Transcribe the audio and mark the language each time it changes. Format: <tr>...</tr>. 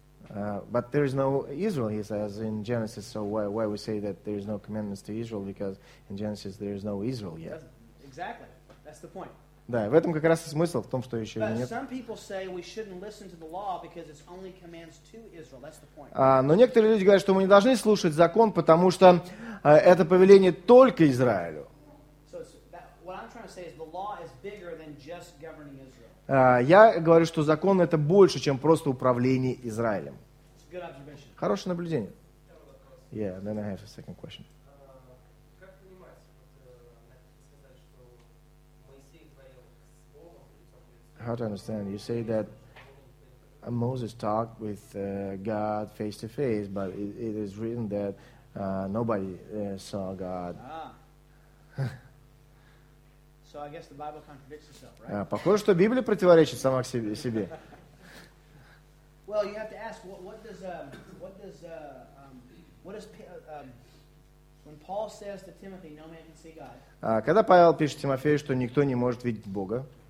<en>But there is no Israel, he says, in Genesis. So why we say that there is no commandments to Israel? Because in Genesis there is no Israel yet. Exactly. That's the point.</en> <ru>Да, в этом как раз и смысл, в том, что еще нет.</ru> <en>Some people say we shouldn't listen to the law because it's only commands to Israel. That's the point.</en> <ru>Но некоторые люди говорят, что мы не должны слушать закон, потому что это повеление только Израилю.</ru> <en>So what I'm trying to say is the law is bigger than just governing Israel.</en> <ru>Я говорю, что закон — это больше, чем просто управление Израилем. Хорошее наблюдение.</ru> <en>Yeah, then I have a second question. how to understand? You say that Moses talked with God face to face, but it is written that nobody saw God. So I guess the Bible contradicts itself, right?</en> <ru>Похоже, что Библия противоречит сама себе.</ru> <en>Well, you have to ask what does when Paul says to Timothy, no man can see God.</en> <ru>Когда Павел пишет Тимофею, что никто не может видеть Бога,</ru>